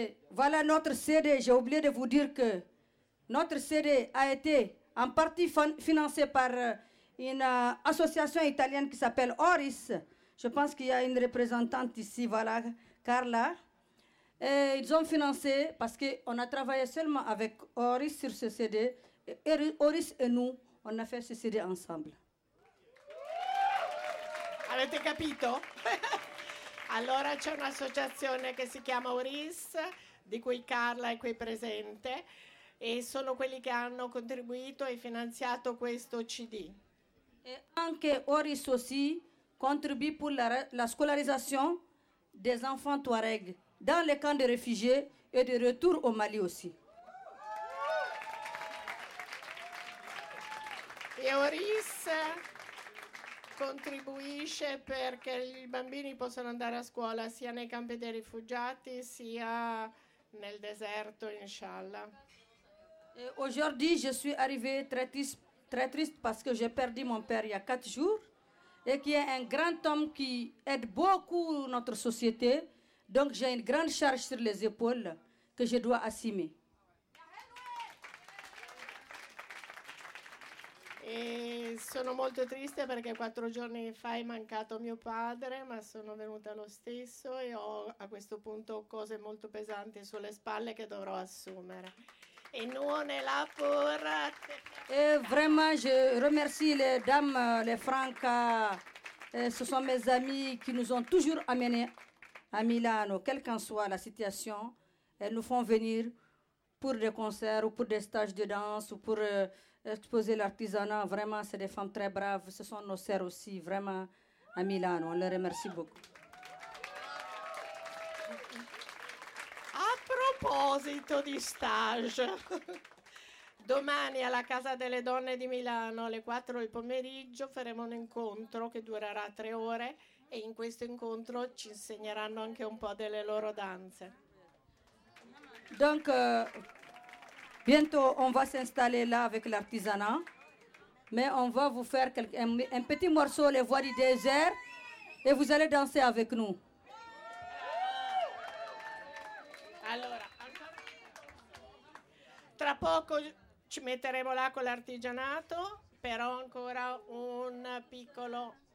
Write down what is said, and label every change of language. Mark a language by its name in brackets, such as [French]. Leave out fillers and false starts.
[French] voilà notre CD. J'ai oublié de vous dire que notre CD a été en partie financé par une association italienne qui s'appelle Oris. Je pense qu'il y a une représentante ici, voilà, Carla. Et ils ont financé, parce qu'on a travaillé seulement avec Oris sur ce CD. Et Oris et nous, on a fait ce CD ensemble. [Italian] Avete capito? Allora c'è un'associazione che si chiama Oris, di cui Carla è qui presente, e sono quelli che hanno contribuito e finanziato questo CD. E anche [French] Oris aussi contribue pour la scolarisation des enfants Touareg dans les camps de réfugiés et de retour au Mali aussi. [Italian] E Oris contribuisce perché i bambini possano andare a scuola sia nei campi dei rifugiati sia nel deserto, inshallah. [French] Et aujourd'hui, je suis arrivée très triste parce que j'ai perdu mon père il y a 4 jours et qui est un grand homme qui aide beaucoup notre société. Donc j'ai une grande charge sur les épaules que je dois assumer. [Italian] E sono molto triste perché 4 giorni fa è mancato mio padre, ma sono venuta lo stesso e ho a questo punto cose molto pesanti sulle spalle che dovrò assumere. E non è là per... [French] E vraiment je remercie les dames, les Franca, ce sont mes amis qui nous ont toujours amenés à Milano, quelle qu'en soit la situation, elles nous font venir pour des concerts ou pour des stages de danse ou pour... exposer l'artisanat, vraiment, c'est des femmes très braves. Ce sont nos sœurs aussi, vraiment, à Milano. On les remercie beaucoup. [Italian] À proposito di stage, domani alla Casa delle Donne di Milano, alle 4 del pomeriggio, faremo un incontro che durerà 3 ore e in questo incontro ci insegneranno anche un po' delle loro danze. [French] Donc, bientôt, on va s'installer là avec l'artisanat, mais on va vous faire un petit morceau, les voix du désert, et vous allez danser avec nous. [Italian] Allora, tra poco ci metteremo là con l'artigianato, però ancora un piccolo...